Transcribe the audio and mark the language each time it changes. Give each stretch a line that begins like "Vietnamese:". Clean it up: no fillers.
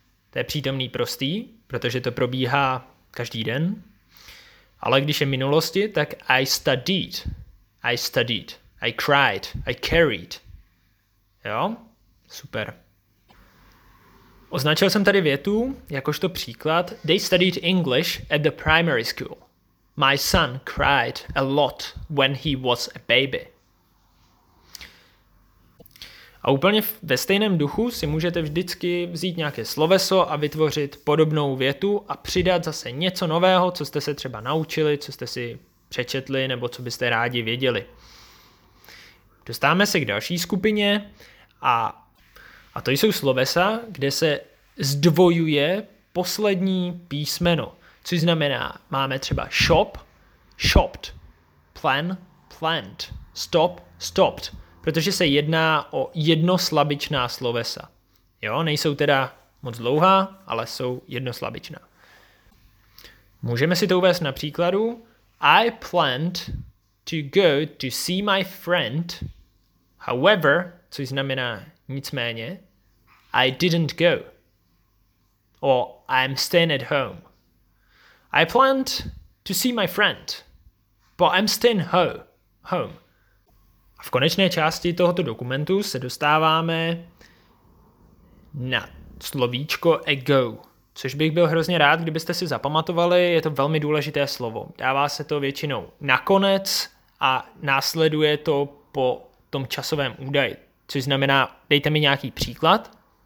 Czech: To je přítomný prostý, protože to probíhá každý den. Ale když je minulosti, tak
English: I studied. I studied. I cried. I carried.
Czech: Jo? Super. Označil jsem tady větu, jakožto příklad.
English: They studied English at the primary school. My son cried a lot when he was a baby.
Czech: A úplně ve stejném duchu si můžete vždycky vzít nějaké sloveso a vytvořit podobnou větu a přidat zase něco nového, co jste se třeba naučili, co jste si přečetli nebo co byste rádi věděli. Dostáváme se k další skupině a to jsou slovesa, kde se zdvojuje poslední písmeno. Což znamená, máme třeba
English: shop, shopped, plan, planned, stop, stopped.
Czech: Protože se jedná o jednoslabičná slovesa. Jo, nejsou teda moc dlouhá, ale jsou jednoslabičná. Můžeme si to uvést na příkladu.
English: I planned to go to see my friend, however,
Czech: což znamená nicméně,
English: I didn't go. Or I'm staying at home. I planned to see my friend, but I'm staying home.
Czech: A v konečné části tohoto dokumentu se dostáváme na slovíčko ago, což bych byl hrozně rád, kdybyste si zapamatovali, je to velmi důležité slovo. Dává se to většinou nakonec a následuje to po tom časovém údaji, což znamená, dejte mi nějaký příklad.